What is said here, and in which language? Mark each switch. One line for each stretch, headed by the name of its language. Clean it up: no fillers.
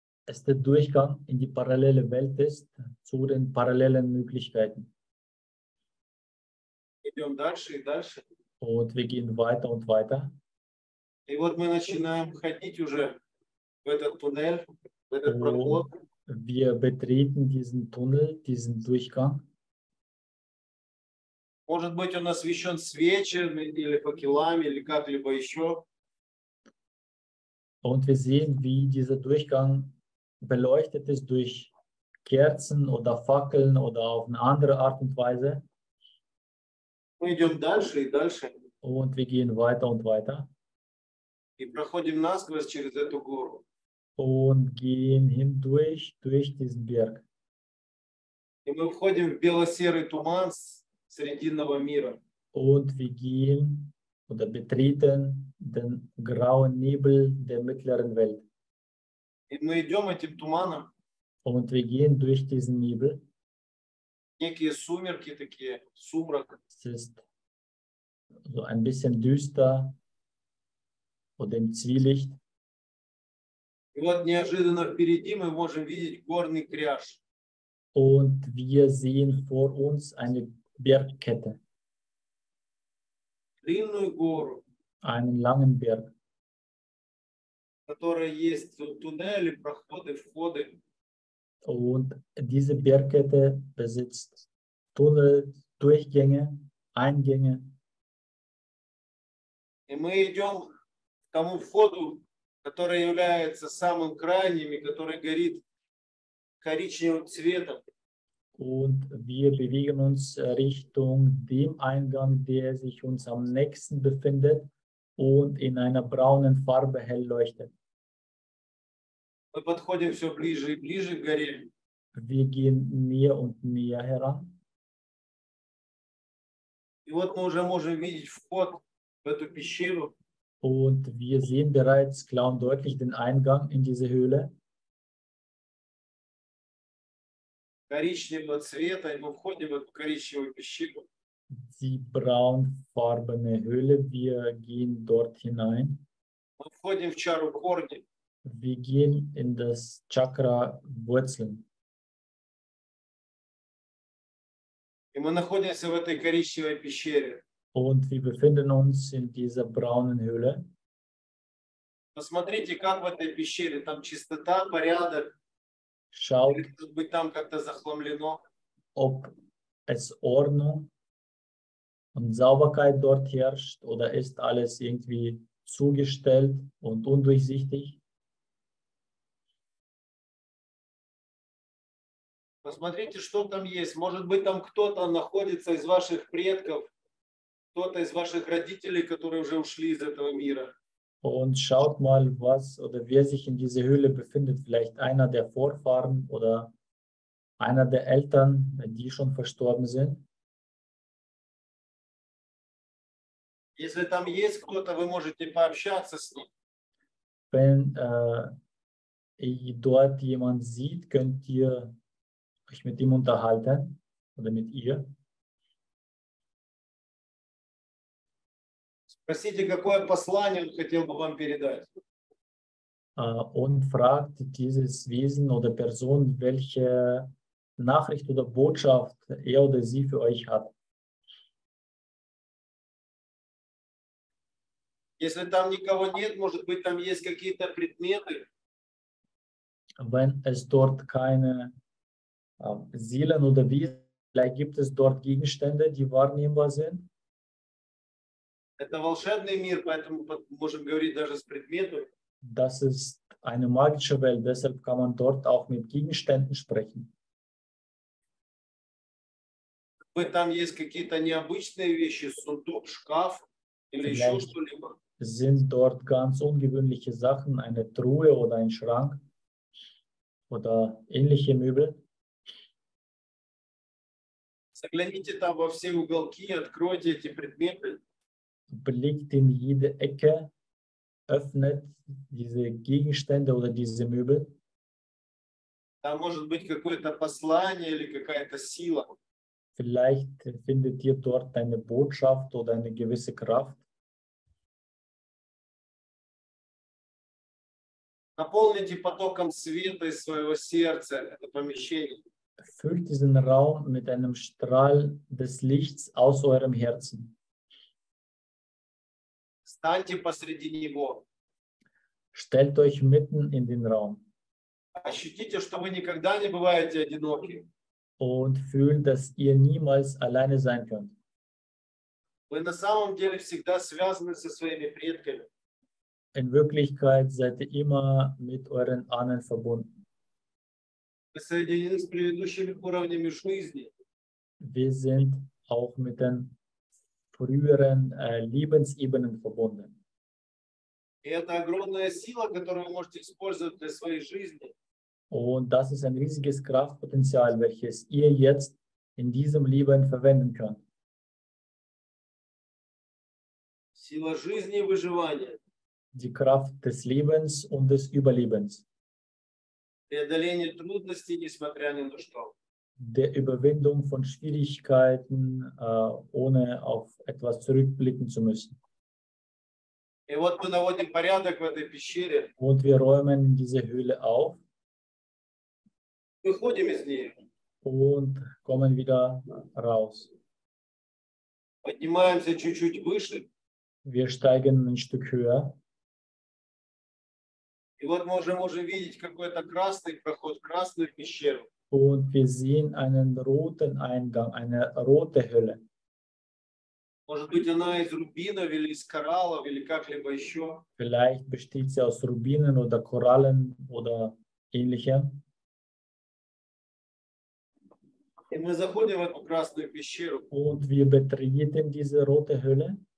German: Es ist der Durchgang in die parallele Welt ist, zu den parallelen Möglichkeiten.
Russian: Идем дальше и дальше.
German: Und wir gehen weiter und weiter.
Russian: И вот мы начинаем ходить уже в этот туннель, в этот
German: und
Russian: проход.
German: Wir betreten diesen Tunnel, diesen Durchgang.
Russian: Может быть, он освещен свечами или факелами или как-либо еще.
German: Und wir sehen, wie dieser Durchgang beleuchtet ist durch Kerzen oder Fackeln oder auf eine andere Art und Weise.
Russian: Мы идем дальше и дальше.
German: Und wir gehen weiter und weiter.
Russian: И проходим насквозь через эту гору.
German: Und gehen hindurch durch diesen Berg.
Russian: И мы входим в бело-серый туман срединного мира.
German: Und wir gehen oder betreten den grauen Nebel der mittleren Welt.
Russian: И мы идем этим туманом.
German: Und wir gehen durch diesen Nebel.
Russian: Некие сумерки такие, сумрак.
German: Es ist so ein bisschen düster oder im Zwielicht.
Russian: И вот неожиданно впереди мы можем видеть горный кряж.
German: Und wir sehen vor uns eine Bergkette.
Russian: Длинную гору.
German: Einen langen Berg.
Russian: В которой есть туннели, проходы, входы.
German: Und diese Bergkette besitzt Tunnel, Durchgänge, Eingänge.
Russian: И мы идем к тому входу, который является самым крайним и который горит коричневым цветом.
German: Und wir bewegen uns Richtung dem Eingang, der sich uns am nächsten befindet und in einer braunen Farbe hell leuchtet.
Russian: Мы подходим все ближе и ближе к горе.
German: Wir gehen näher und näher heran.
Russian: И вот мы уже можем видеть вход в эту пещеру.
German: Und wir sehen bereits klar und deutlich den Eingang in diese Höhle.
Russian: Коричневого цвета, и мы входим в эту коричневую пещеру.
German: Die braunfarbene Höhle, wir gehen dort hinein.
Russian: Мы входим в чару корни.
German: Wir gehen in das Chakra Wurzeln.
Russian: И мы находимся в этой коричневой пещере.
German: Und wir befinden uns in dieser braunen Höhle.
Russian: Посмотрите, как в этой пещере. Там чистота, порядок.
German: Schaut,
Russian: или, может быть, там как-то захламлено.
German: Ob es Ordnung und Sauberkeit dort herrscht oder ist alles irgendwie zugestellt und undurchsichtig.
Russian: Посмотрите, что там есть. Может быть, там кто-то находится из ваших предков, кто-то из ваших родителей, которые уже ушли из этого мира.
German: Und schaut mal, was oder wer sich in dieser Höhle befindet. Vielleicht einer der Vorfahren oder einer der Eltern, die schon verstorben sind.
Russian: Если там есть кто-то, вы можете пообщаться с ним.
German: Wenn dort jemand sieht, könnt ihr euch mit ihm unterhalten oder mit ihr.
Russian: Спросите, какое послание он хотел бы вам передать.
German: Und fragt dieses Wesen oder Person, welche Nachricht oder Botschaft er oder sie für euch hat.
Russian: Если там никого нет, может быть, там есть какие-то предметы.
German: Wenn es dort keine Seelen oder Wesen, vielleicht gibt es dort Gegenstände, die wahrnehmbar sind.
Russian: Это волшебный мир, поэтому можем говорить даже с предметами.
German: Das ist eine magische Welt, deshalb kann man dort auch mit Gegenständen sprechen.
Russian: Может, там есть какие-то необычные вещи, сундук, шкаф или еще что-либо.
German: Sind dort ganz ungewöhnliche Sachen, eine Truhe oder ein Schrank oder ähnliche Möbel.
Russian: Загляните там во все уголки, откройте эти предметы.
German: Blickt in jede Ecke, öffnet diese Gegenstände oder diese Möbel. Da
Russian: может быть какое-то послание или какая-то сила.
German: Vielleicht findet ihr dort eine Botschaft oder eine gewisse Kraft.
Russian: Наполните потоком света из своего сердца это помещение.
German: Füllt diesen Raum mit einem Strahl des Lichts aus eurem Herzen.
Russian: Станьте посреди него.
German: Stellt euch mitten in den Raum.
Russian: Ощутите, что вы никогда не бываете одиноки.
German: Und fühlt, dass ihr niemals alleine sein könnt.
Russian: Вы на самом деле всегда связаны со своими предками.
German: In Wirklichkeit seid ihr immer mit euren Ahnen verbunden.
Russian: соединены с предыдущими уровнями жизни.
German: Wir sind auch mit den früheren Lebensebenen verbunden.
Russian: И это огромная сила, которую вы можете использовать для своей жизни.
German: Und das ist ein riesiges Kraftpotenzial, welches ihr jetzt in diesem Leben verwenden könnt.
Russian: Сила жизни и выживания.
German: Die Kraft des Lebens und des Überlebens.
Russian: Преодоление трудностей, несмотря ни на что.
German: Der Überwindung von Schwierigkeiten, ohne auf etwas zurückblicken zu müssen.
Russian: И вот мы наводим порядок в этой пещере.
German: Und wir räumen diese Höhle auf.
Russian: Выходим из нее.
German: Und kommen wieder raus.
Russian: Поднимаемся чуть-чуть выше.
German: Wir steigen ein Stück höher.
Russian: И вот мы уже можем видеть какой-то красный проход, красную пещеру.
German: Und wir sehen einen roten Eingang, eine rote Hölle.
Russian: Может быть, она из рубинов или из кораллов или как-либо еще.
German: Vielleicht besteht sie aus Rubinen oder Korallen oder ähnlichem.
Russian: И мы заходим в эту красную пещеру.
German: Und wir betreten diese rote Hölle.